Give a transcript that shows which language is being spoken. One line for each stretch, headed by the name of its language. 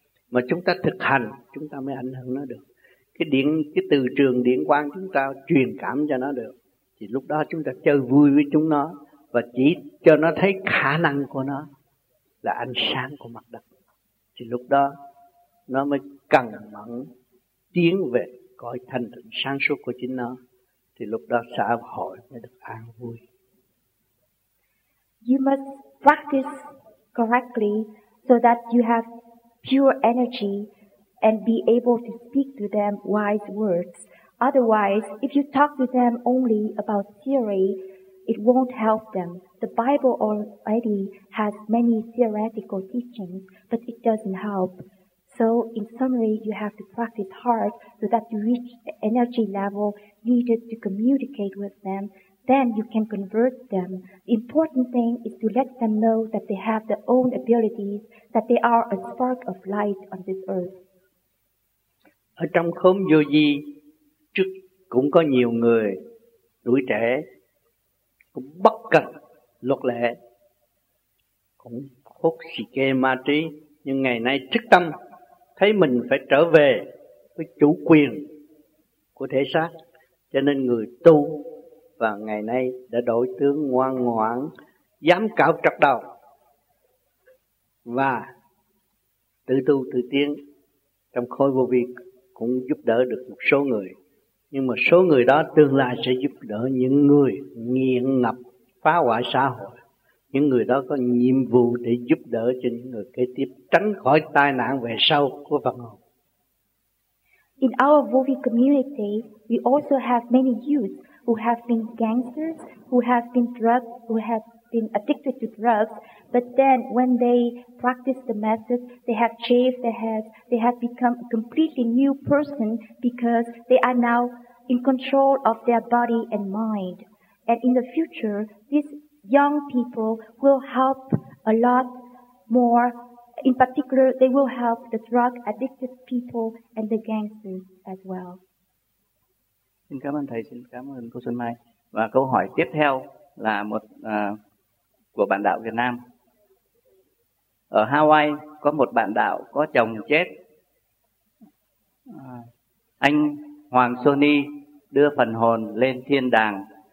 Vietnamese: Mà chúng ta thực hành, chúng ta mới ảnh hưởng nó được. Cái từ trường điện quang chúng ta truyền cảm cho nó được, thì lúc đó chúng ta chơi vui với chúng nó và chỉ cho nó thấy khả năng của nó là ánh sáng của mặt đất, thì lúc đó nó mới cần mẫn tiến về cõi thanh tịnh sáng suốt của chính nó, thì lúc đó xã hội mới được an vui.
English: You must practice correctly so that you have pure energy and be able to speak to them wise words. Otherwise, if you talk to them only about theory, it won't help them. The Bible already has many theoretical teachings, but it doesn't help. So, in summary, you have to practice hard so that you reach the energy level needed to communicate with them. Then you can convert them. The important thing is to let them know that they have their own abilities, that they are a spark of light on this earth.
Vietnamese: Ở trong khóm vô vi, trước cũng có nhiều người tuổi trẻ cũng bất cần luật lệ, cũng hút xì kê ma trí, nhưng ngày nay thức tâm thấy mình phải trở về với chủ quyền của thể xác, cho nên người tu và ngày nay đã đổi tướng ngoan ngoãn, dám cạo trọc đầu và tự tu tự tiến. Trong khối vô vi cũng giúp đỡ được một số người, nhưng mà số người đó tương lai sẽ giúp đỡ những người nghiện ngập phá hoại xã hội. Những người đó có nhiệm vụ để giúp đỡ cho những người kế tiếp tránh khỏi tai nạn về sau của phần hồn.
English: In our Vovi community, we also have many youth who have been gangsters, who have been drugged, who have been addicted to drugs, but then when they practice the method, they have shaved their heads, they have become a completely new person because they are now in control of their body and mind. And in the future, these young people will help a lot more. In particular, they will help the drug addicted people and the gangsters as well.
Vietnamese: Xin cảm ơn thầy, xin cảm ơn cô Xuân Mai. Và câu hỏi tiếp theo là một của bạn đạo Việt Nam. Ở Hawaii có một bạn đạo có chồng chết. Anh Hoàng Sony đưa phần hồn lên thiên đàng.